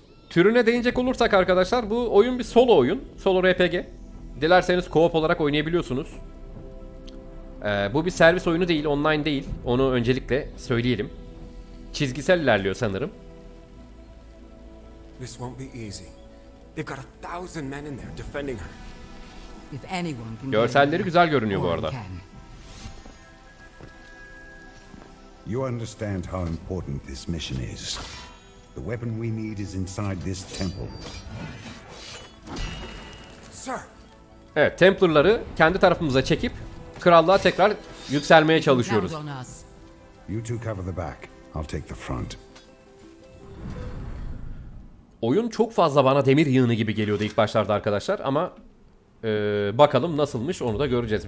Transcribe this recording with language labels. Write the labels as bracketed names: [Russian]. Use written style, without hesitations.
[Turkish] Türüne değinecek olursak arkadaşlar bu oyun bir solo oyun. Solo RPG. Dilerseniz co-op olarak oynayabiliyorsunuz. Bu bir servis oyunu değil, online değil. Onu öncelikle söyleyelim. Çizgisel ilerliyor sanırım. [English] This won't be easy. They've got a thousand men in there defending her. If anyone can. [Turkish] Görselleri güzel görünüyor bu arada. [English] You understand how important this mission is. The weapon we need is inside this temple. Sir. [Turkish] Evet, Templar'ları kendi tarafımıza çekip krallığa tekrar yükselmeye çalışıyoruz. [English] You two cover the back. I'll take the front. [Turkish] Oyun çok fazla bana demir yığını gibi geliyordu ilk başlarda arkadaşlar ama bakalım nasılmış onu da göreceğiz.